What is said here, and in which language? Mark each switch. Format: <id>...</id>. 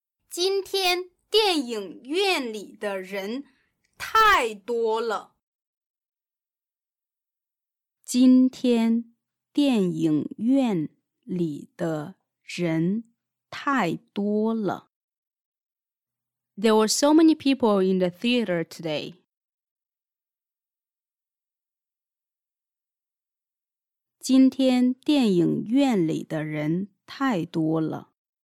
<zh>今天电影院里的人太多了。今天电影院里的人太多了。</zh> <en>There were so many people in the theater today.</en> <zh>今天电影院里的人太多了。</zh>